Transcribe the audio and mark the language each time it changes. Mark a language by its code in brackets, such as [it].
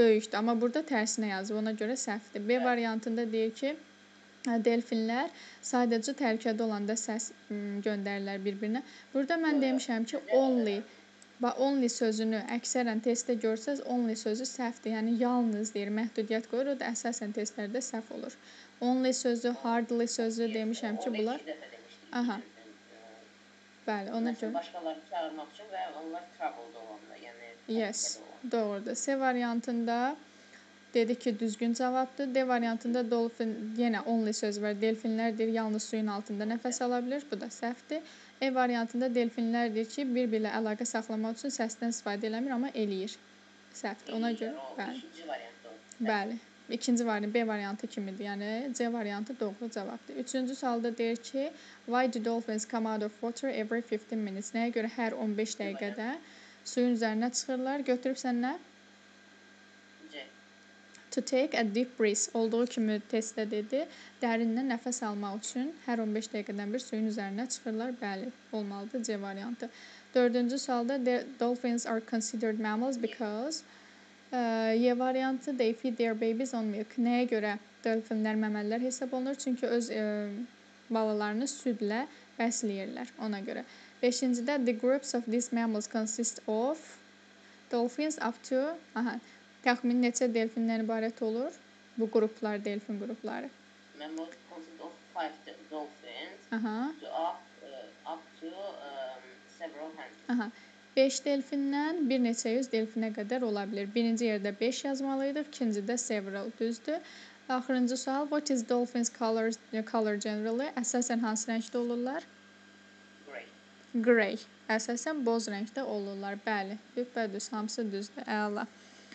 [az] Böyükdür, amma burada tərsinə yazıb, ona görə səhvdir. B variantında deyir ki, delfinlər sadəcə təhlükədə olanda səs göndərirlər bir-birinə. Burada mən demişəm ki, only, only sözünü əksərən testdə görsəz, only sözü səhvdir. Yəni, yalnız deyir, məhdudiyyət qoyur, o da əsasən testlərdə səhv olur. Only sözü, hardly sözü demişəm ki, bunlar... Aha. Bəli, ona görə... Başqaları çağırmaq üçün və onlar troubled olanda, yəni... Yes, doğrudur. C variantında... Dedi ki, düzgün cavabdır. D variantında dolfin, yenə only söz var. Delfinlərdir, yalnız suyun altında nəfəs ala bilir. Bu da səhvdir. E variantında delfinlərdir ki, bir-birlə əlaqə saxlamaq üçün səsdən istifadə eləmir, amma eləyir. Səhvdir. Ona görə, bəli. Bəli. İkinci variantı, B variantı kimidir. Yəni, C variantı doğru cavabdır. Üçüncü sualda deyir ki, [en] why do dolphins come out of water every 15 minutes? [az] Nəyə görə hər 15 dəqiqədə suyun üzərinə çıxırlar? Götürüb sən nə? [en] to take a deep breath, [az] olduğu kimi testdə dedi, dərindən nəfəs almaq üçün hər 15 dəqiqədən bir suyun üzərinə çıxırlar, bəli, olmalıdır C variantı. Dördüncü sualda, [en] the dolphins are considered mammals because, Y variantı, they feed their babies on milk. [az] Nəyə görə dolphinlər məməllər hesab olunur? Çünki öz balalarını südlə bəsləyirlər, ona görə. [en] Beşincidə, the groups of these mammals consist of dolphins up to, aha, [az] təxmin neçə delfinlər ibarət olur? Bu qruplar, delfin qrupları. [en] Mammals consist of 5 dolphins up to several hundred. [az] 5 delfindən bir neçə yüz delfinə qədər ola bilir. Birinci yerdə 5 yazmalıydı, ikinci də several, düzdür. Axırıncı sual, [en] what is dolphins color generally? [az] Əsasən hansı rəngdə olurlar? Grey. Əsasən boz rəngdə olurlar. Bəli, hüppədüz, hamısı düzdür, əla.